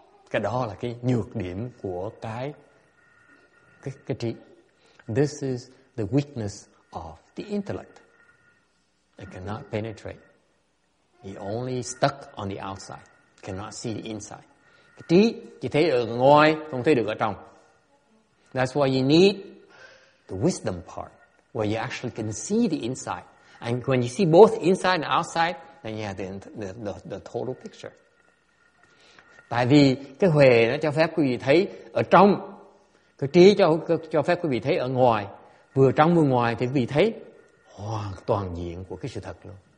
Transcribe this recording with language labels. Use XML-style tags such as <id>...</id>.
<vi>Cái đó là cái nhược điểm của cái trí.</vi> <en>This is the weakness of the intellect. It cannot penetrate. It only stuck on the outside. Cannot see the inside.</en> <vi>Cái trí chỉ thấy ở ngoài, không thấy được ở trong.</vi> <en>That's why you need the wisdom part, where you actually can see the inside. And when you see both inside and outside, then you have the total picture.</en> <vi>Tại vì cái huệ nó cho phép quý vị thấy ở trong, cái trí cho phép quý vị thấy ở ngoài, vừa trong vừa ngoài thì quý vị thấy hoàn toàn diện của cái sự thật luôn.</vi>